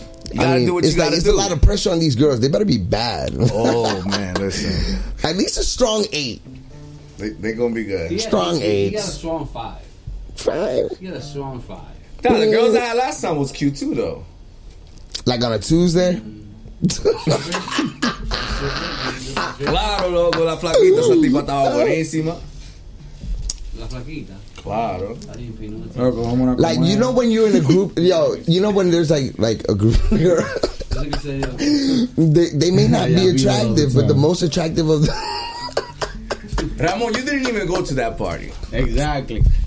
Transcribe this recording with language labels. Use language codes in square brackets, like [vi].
[en] You gotta do what you gotta do. It's a lot of pressure on these girls. They better be bad. Oh, man, listen. At least a strong 8. They gonna be good. Strong 8. You got a strong 5. 5? You got a strong 5. Yeah. Now, the girls I had last time was cute, too, though. Like on a Tuesday? [es] Claro, loco, la flaquita, esa tipa estaba buenísima. La flaquita. Claro. [en] Like, you know when you're in a group, yo, you know when there's like a group of girls, they may not be attractive, but the most attractive of them. Ramon, you didn't even go to that party. Exactly.